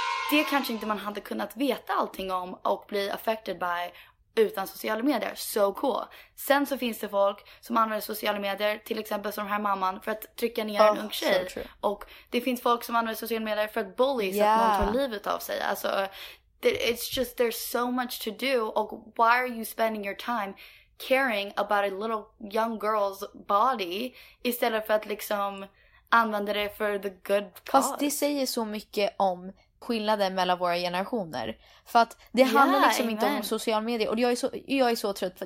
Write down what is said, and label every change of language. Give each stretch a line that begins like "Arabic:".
Swedish: Det kanske inte man hade kunnat veta allting om och bli
English: affected by
Swedish: utan sociala medier.
English: So cool.
Swedish: Sen så finns det folk som använder sociala medier, till exempel som den här mamman, för att trycka ner en ung tjej. So och det finns folk som använder sociala medier för att bully så att någon tar livet av sig.
English: Alltså, it's just there's so much to do. Och why are you spending your time caring about a little young girl's body
Swedish: istället för att liksom använda det för
English: the good cause?
Swedish: Fast det säger så mycket om skillnaden mellan våra generationer. För att det handlar liksom inte om social media. Och jag är så trött.